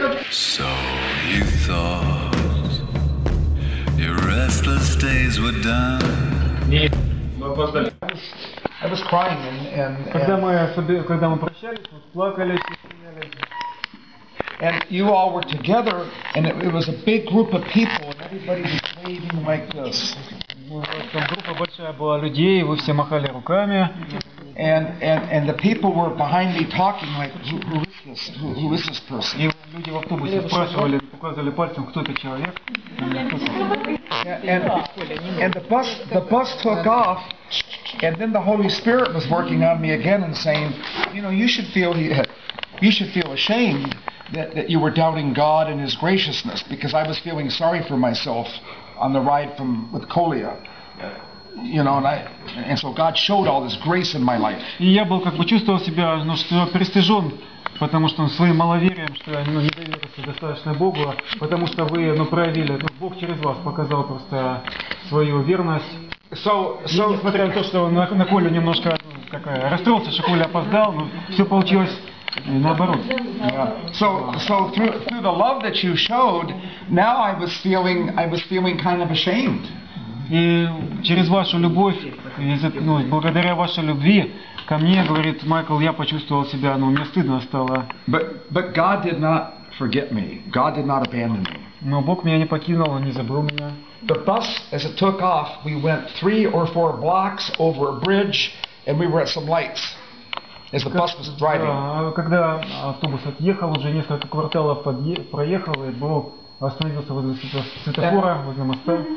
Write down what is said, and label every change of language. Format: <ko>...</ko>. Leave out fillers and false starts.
<en>So you thought your restless days were done. I was crying and</en> <ru>когда мы собирались, когда мы прощались, мы плакали, смеялись.</ru> <en>And you all were together, and it was a big group of people, and everybody was waving like this.</en> <ru>Группа большая была людей, вы все махали руками.</ru> <en>And the people were behind me talking like, who is this person?</en> <ru>И люди в автобусе спрашивали, указывали пальцем, кто это человек.</ru> <en>And the bus took off, and then the Holy Spirit was working on me again and saying, you know, you should feel ashamed that you were doubting God and His graciousness, because I was feeling sorry for myself on the ride from with Kolia, you know, and so God showed all this grace in my life.</en> <ru>И я был как бы чувствовал себя, ну, что пристыжен, потому что своим маловерием, что я, ну, не доверился достаточно Богу, потому что вы, ну, проявили, ну, Бог через вас показал просто свою верность.</ru> <en>So</en> <ru>несмотря на то, что на Коле немножко такая расстроился, что Коля опоздал, но все получилось. Наоборот.</ru> <en>So through the love that you showed, now I was feeling kind of ashamed.</en> <ru>И через вашу любовь, ну, благодаря вашей любви ко мне, говорит Майкл, я почувствовал себя, ну, мне стыдно стало.</ru> <en>But God did not forget me. God did not abandon me.</en> <ru>Но Бог меня не покинул, он не забыл меня.</ru> <en>The bus, as it took off, we went 3 or 4 blocks over a bridge, and we were at some lights. As the bus was driving.</en> <ru>Когда автобус отъехал, уже несколько кварталов проехал, и был остановился возле светофора, возле моста.</ru>